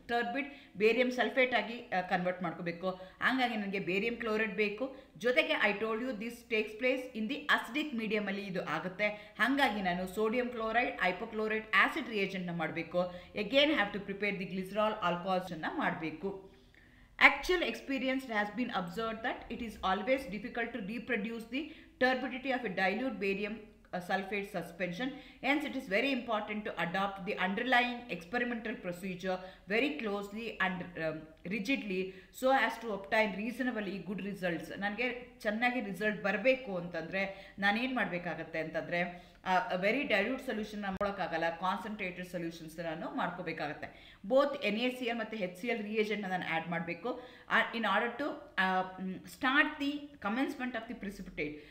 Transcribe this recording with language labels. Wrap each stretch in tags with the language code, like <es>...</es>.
<kn>ಟರ್ಬಿಡ್ barium sulphate ಆಗಿ convert ಮಾಡ್ಕೋಬೇಕು, ಹಾಗಾಗಿ ನನಗೆ ಬೇರಿಯಂ ಕ್ಲೋರೈಡ್ ಬೇಕು.</kn> <en>ಜೊತೆಗೆ I told you this takes place in the acidic ಮೀಡಿಯಮಲ್ಲಿ</en> <kn>ಇದು ಆಗುತ್ತೆ, ಹಾಗಾಗಿ ನಾನು</kn> <en>Sodium chloride hypochloride acid ರಿಯಾಕ್ಷನ್ನ ಮಾಡಬೇಕು. Again have to prepare the glycerol ಆಲ್ಕೋಹಾಲ್ಸನ್ನು ಮಾಡಬೇಕು. Actual experience has been observed that it is always difficult to reproduce the turbidity of a dilute barium sulfate suspension. Hence, it is very important to adopt the underlying experimental procedure very closely and rigidly so as to obtain reasonably good results.</en> <kn>ನನಗೆ ಚೆನ್ನಾಗಿ result ಬರಬೇಕು ಅಂತಂದರೆ ನಾನೇನು ಮಾಡಬೇಕಾಗತ್ತೆ ಅಂತಂದರೆ</kn> <en>very dilute</en> <kn>ಸೊಲ್ಯೂಷನ್ನ ಮಾಡೋಕ್ಕಾಗಲ್ಲ, concentrated solutions ನಾನು ಮಾಡ್ಕೋಬೇಕಾಗತ್ತೆ.</kn> <en>both N A C L ಮತ್ತು H C L ರಿಯೇಜೆಂಟ್ನ</en> <kn>ನಾನು ಆ್ಯಡ್ ಮಾಡಬೇಕು</kn> <en>In order to start the commencement of the precipitate.</en>